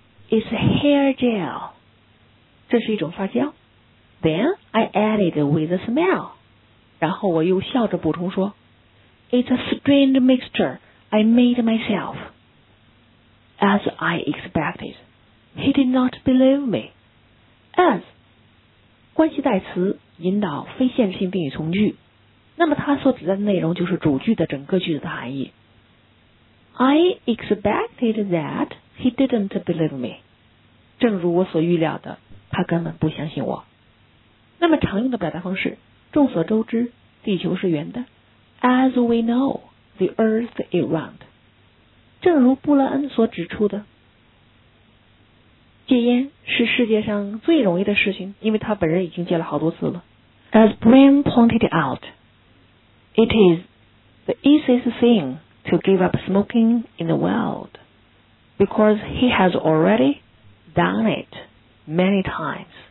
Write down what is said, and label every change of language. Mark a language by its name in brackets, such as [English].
[English] It's hair gel. [Chinese] 这是一种发胶。 [English] Then I added with a smell. [Chinese] 然后我又笑着补充说 [English] It's a strange mixture I made myself. As I expected, he did not believe me. [Chinese] As 关系代词引导非限制性定语从句，那么它所指的内容就是主句的整个句子的含义。 [English] I expected that he didn't believe me. [Chinese] 正如我所预料的，他根本不相信我。那么常用的表达方式，众所周知，地球是圆的。 [English] As we know, the earth is round. [Chinese] 正如布勒恩所指出的，戒烟是世界上最容易的事情，因为他本人已经戒了好多次了。 [English] As Brian pointed out, it is the easiest thing. To give up smoking in the world, because he has already done it many times.